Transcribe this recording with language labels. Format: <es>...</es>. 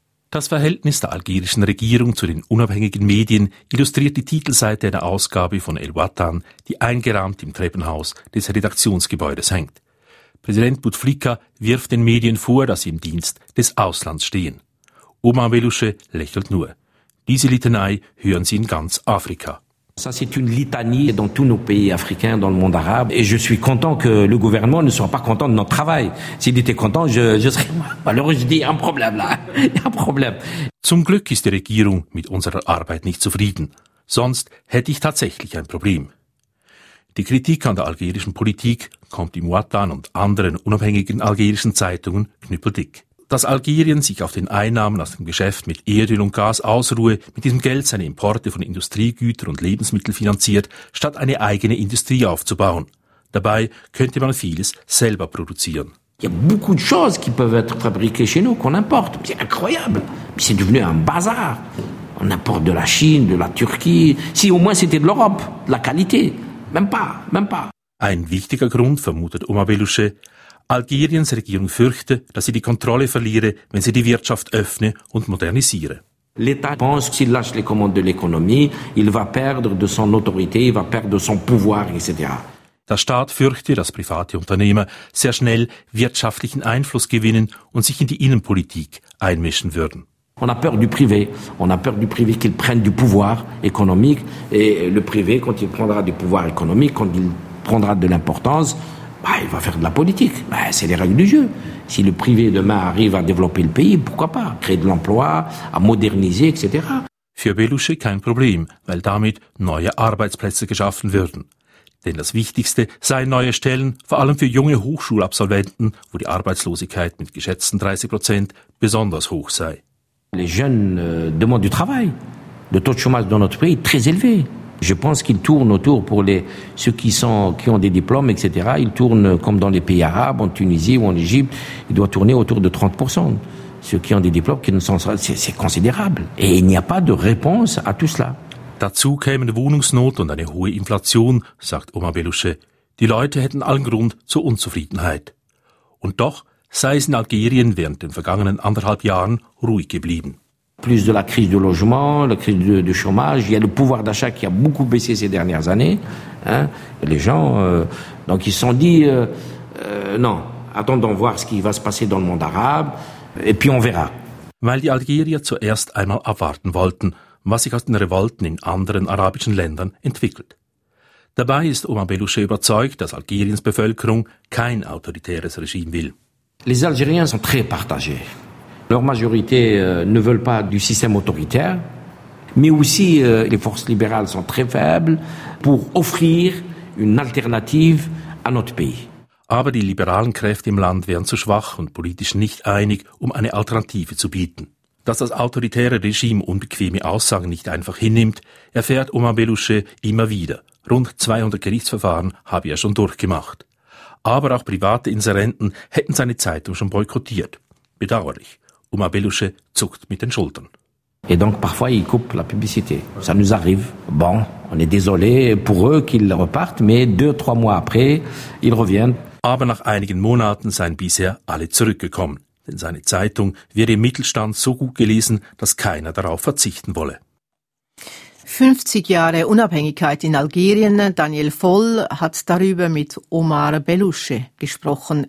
<de>Das Verhältnis der algerischen Regierung zu den unabhängigen Medien illustriert die Titelseite einer Ausgabe von El Watan, die eingerahmt im Treppenhaus des Redaktionsgebäudes hängt. Präsident Bouteflika wirft den Medien vor, dass sie im Dienst des Auslands stehen. Omar Belouche lächelt nur. Diese Litanei hören sie in ganz Afrika.</de> <fr>Ça c'est une litanie dans tous nos pays africains, dans le monde arabe. Et je suis content que le gouvernement ne soit pas content de notre travail. S'il était content, je serais malheureux. Je dis un problème là, un problème.</fr> <de>Zum Glück ist die Regierung mit unserer Arbeit nicht zufrieden. Sonst hätte ich tatsächlich ein Problem. Die Kritik an der algerischen Politik kommt im Watan und anderen unabhängigen algerischen Zeitungen knüppeldick. Dass Algerien sich auf den Einnahmen aus dem Geschäft mit Erdöl und Gas ausruhe, mit diesem Geld seine Importe von Industriegütern und Lebensmitteln finanziert, statt eine eigene Industrie aufzubauen. Dabei könnte man vieles selber produzieren.</de> <fr>Il y a beaucoup de choses qui peuvent être fabriquées chez nous qu'on importe. C'est incroyable. C'est devenu un bazar. On importe de la Chine, de la Turquie. Si au moins c'était de l'Europe, de la qualité. Même pas.</fr> <de>Ein wichtiger Grund, vermutet Omar Belouche, Algeriens Regierung fürchte, dass sie die Kontrolle verliere, wenn sie die Wirtschaft öffne und modernisiere.</de> <fr>L'État pense qu'il lâche les commandes de l'économie, il va perdre de son autorité, il va perdre de son pouvoir, etc.</fr> <de>Der Staat fürchte, dass private Unternehmer sehr schnell wirtschaftlichen Einfluss gewinnen und sich in die Innenpolitik einmischen würden.</de> <fr>On a peur du privé. On a peur du privé qu'il prenne du pouvoir économique. Et le privé, quand il prendra du pouvoir économique, quand il prendra de l'importance, il va faire de la politique. C'est les règles du jeu. Si le privé demain arrive à développer le pays, pourquoi pas? Créer de l'emploi, à moderniser, etc.</fr> <de>Für Belouche kein Problem, weil damit neue Arbeitsplätze geschaffen würden. Denn das Wichtigste seien neue Stellen, vor allem für junge Hochschulabsolventen, wo die Arbeitslosigkeit mit geschätzten 30% besonders hoch sei.</de> <fr>Les jeunes demandent du travail. Le taux de chômage dans notre pays est très élevé. Je pense qu'il tourne autour pour les ceux qui ont des diplômes, etc. Il tourne comme dans les pays arabes, en Tunisie ou en Égypte. Il doit tourner autour de 30%. Ceux qui ont des diplômes, qui ne sont pas, c'est considérable. Et il n'y a pas de réponse à tout cela.</fr> <de>Dazu kämen Wohnungsnot und eine hohe Inflation, sagt Omar Belouche. Die Leute hätten allen Grund zur Unzufriedenheit. Und doch sei es in Algerien während den vergangenen anderthalb Jahren ruhig geblieben.</de> <fr>Plus de la crise du logement, la crise du chômage, il y a le pouvoir d'achat qui a beaucoup baissé ces dernières années. Hein? Les gens, donc ils se sont dit, non, attendons voir ce qui va se passer dans le monde arabe, et puis on verra.</fr> <de>Weil die Algerier zuerst einmal abwarten wollten, was sich aus den Revolten in anderen arabischen Ländern entwickelt. Dabei ist Omar Belouche überzeugt, dass Algeriens Bevölkerung kein autoritäres Regime will.</de> <fr>Les Algériens sont très partagés. Leur majorité ne veulent pas du système autoritaire, mais aussi les forces libérales sont très faibles pour offrir une alternative à notre pays.</fr> <de>Aber die liberalen Kräfte im Land wären zu schwach und politisch nicht einig, um eine Alternative zu bieten. Dass das autoritäre Regime unbequeme Aussagen nicht einfach hinnimmt, erfährt Omar Belouche immer wieder. Rund 200 Gerichtsverfahren habe er schon durchgemacht. Aber auch private Inserenten hätten seine Zeitung schon boykottiert. Bedauerlich. Omar Belouche zuckt mit den Schultern.</de> <fr>Et donc parfois ils coupent la publicité. Ça nous arrive. Bon, on est désolé pour eux qu'ils repartent, mais deux, trois mois après, ils reviennent.</fr> <de>Aber nach einigen Monaten seien bisher alle zurückgekommen. Denn seine Zeitung wird im Mittelstand so gut gelesen, dass keiner darauf verzichten wolle. 50 Jahre Unabhängigkeit in Algerien. Daniel Voll hat darüber mit Omar Belouche gesprochen.</de>